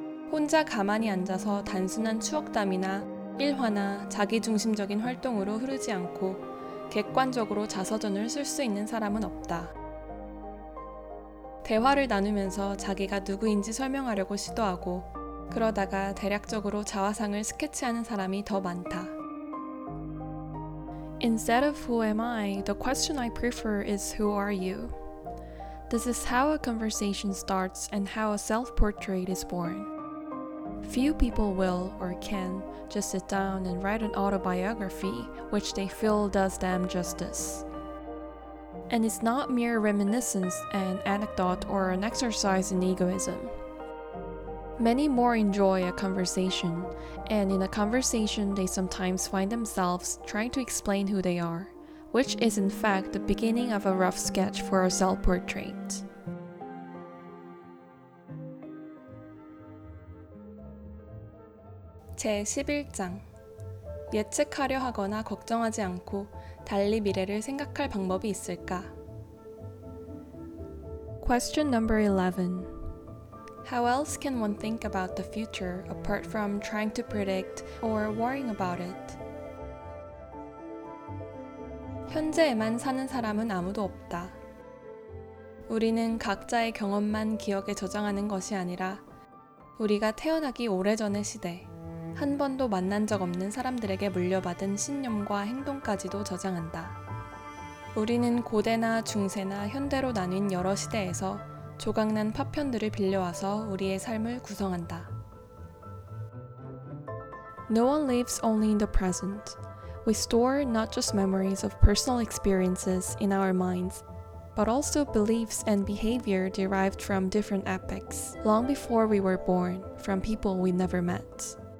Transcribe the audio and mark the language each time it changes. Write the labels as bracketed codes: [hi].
[ko] 혼자 가만히 앉아서 단순한 추억담이나 일화나 자기중심적인 활동으로 흐르지 않고 객관적으로 자서전을 쓸 수 있는 사람은 없다. 대화를 나누면서 자기가 누구인지 설명하려고 시도하고 그러다가 대략적으로 자화상을 스케치하는 사람이 더 많다. [en] Instead of who am I, the question I prefer is who are you? This is how a conversation starts and how a self-portrait is born. Few people will, or can, just sit down and write an autobiography which they feel does them justice. And it's not mere reminiscence, an anecdote, or an exercise in egoism. Many more enjoy a conversation, and in a conversation they sometimes find themselves trying to explain who they are, which is in fact the beginning of a rough sketch for a self-portrait. [ko] 제11장. 예측하려 하거나 걱정하지 않고 달리 미래를 생각할 방법이 있을까? [en] Question number 11. How else can one think about the future apart from trying to predict or worrying about it? [ko] 현재에만 사는 사람은 아무도 없다. 우리는 각자의 경험만 기억에 저장하는 것이 아니라 우리가 태어나기 오래전의 시대, 한 번도 만난 적 없는 사람들에게 물려받은 신념과 행동까지도 저장한다. 우리는 고대나 중세나 현대로 나뉜 여러 시대에서 조각난 파편들을 빌려와서 우리의 삶을 구성한다. [en] No one lives only in the present. We store not just memories of personal experiences in our minds, but also beliefs and behavior derived from different epochs, long before we were born, from people we never met.